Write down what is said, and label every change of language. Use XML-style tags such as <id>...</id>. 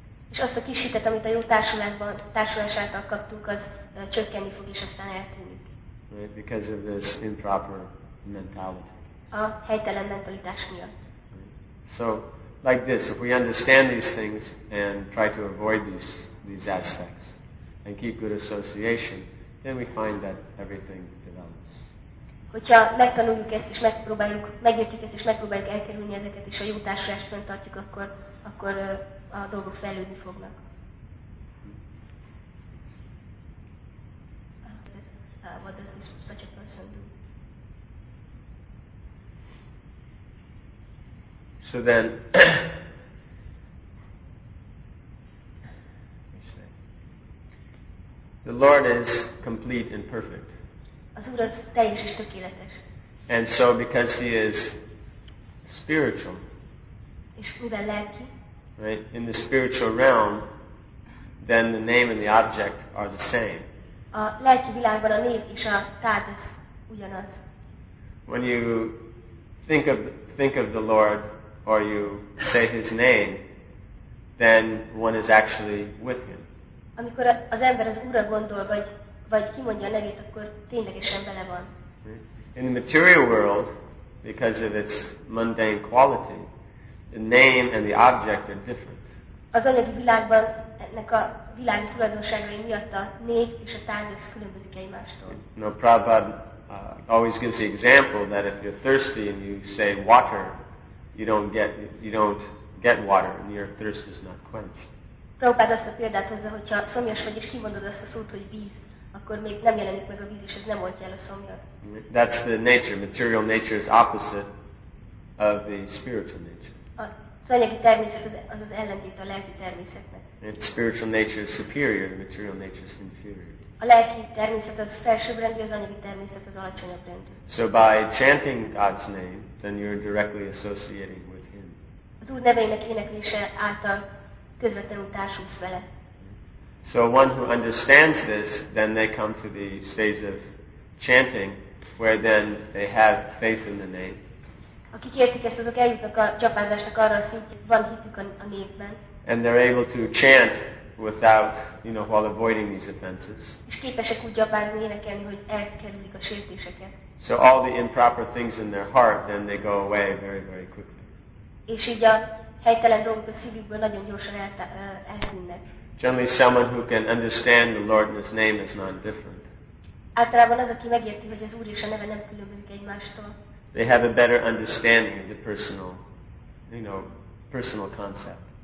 <hu>És azt a kis hitet, amit a jó társulás által kaptunk, az csökkenni fog és aztán eltűnik.</hu> <en>Right, because of this improper mentality.</en> <hu>A helytelen mentalitás miatt.</hu> <en>So, like this, if we understand these things and try to avoid these aspects and keep good association, then we find that everything develops.</en> <hu>Hogyha megtanuljuk ezt és megpróbáljuk, megértjük ezt és megpróbáljuk elkerülni ezeket és a jó társulást fenntartjuk, akkor a dolgok fejlődni fognak.</hu> <en>What does this, such a person do? So then, the Lord is complete and perfect.</en> <hu>Az Úr az teljes és tökéletes.</hu> <en>And so, because He is spiritual,</en> <hu>és mivel lelki,</hu> <en>right, in the spiritual realm, then the name and the object are the same.</en> <hu>A lelki világban a név és a tárgy az ugyanaz.</hu> <en>When you think of the Lord, or you say His name, then one is actually with Him.</en> <hu>Amikor az ember az Úrra gondol, vagy kimondja a nevét, akkor ténylegesen bele van.</hu> <en>In the material world, because of its mundane quality, the name and the object are different.</en> <hu>Az anyagi világban ennek a világi tulajdonságai miatt a név és a tárgy az különbözik egymástól.</hu> <en>No, Prabhupada always gives the example that if you're thirsty and you say water, you don't get water and your thirst is not quenched.</en> <hu>Prabhupada azt a példát hozza, hogyha szomjas vagy és kimondod azt a szót, hogy víz, akkor még nem jelenik meg a víz, és ez nem oltja el a szomjat.</hu> <en>That's the nature. Material nature is opposite of the spiritual nature.</en> <hu>Az anyagi természet az ellentét a lelki természetnek.</hu> <en>And spiritual nature is superior, material nature is inferior.</en> <hu>A lelki természet az felsőbbrendű, az anyagi természet az alacsonyabb rendű.</hu> <en>So by chanting God's name, then you're directly associating with Him.</en> <hu>Az Úr nevének éneklése által közvetlenül társulsz vele.</hu> <en>So one who understands this, then they come to the stage of chanting, where then they have faith in the name.</en> <hu>Akik értik ezt, azok eljutnak a csapázásnak arra a szintjén, van hitük a névben.</hu> <en>And they're able to chant without, you know, while avoiding these offenses.</en> <hu>És képesek úgy gyabázni, énekelni, hogy elkerülik a sértéseket.</hu> <en>So all the improper things in their heart, then they go away very, very quickly.</en> <hu>És így a helytelen dolgok a szívükből nagyon gyorsan eltűnnek.</hu> <en>Generally, someone who can understand the Lord and His name is not different.</en> <hu>Általában az, aki megérti, hogy az Úr és a neve nem különbözik egymástól.</hu> <en>They have a better understanding of the personal, you know, personal concept.</en>